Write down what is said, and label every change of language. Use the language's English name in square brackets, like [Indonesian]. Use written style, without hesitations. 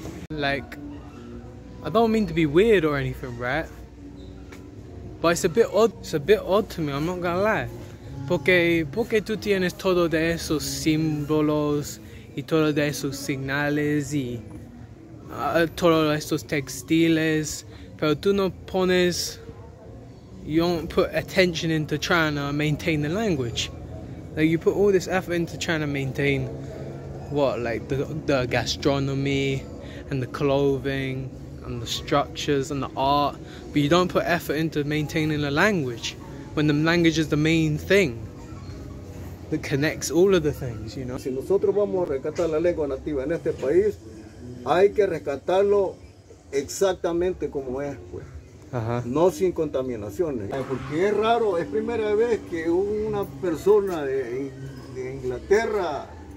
[English] Like, I don't mean to be weird or anything, right? But it's a bit odd to me, I'm not gonna lie. [Spanish] Porque tú tienes todo de esos símbolos y todo de esos señales y todos estos textiles, pero tú no pones... [English] You don't put attention into trying to maintain the language. Like, you put all this effort into trying to maintain what, like the gastronomy and the clothing and the structures and the art, but you don't put effort into maintaining the language when the language is the main thing that connects all of the things, you know? [Spanish] Si nosotros vamos a rescatar la lengua nativa en este país, hay que rescatarlo exactamente como es, pues. Ajá. No sin contaminaciones, porque es raro, es primera vez que una persona de Inglaterra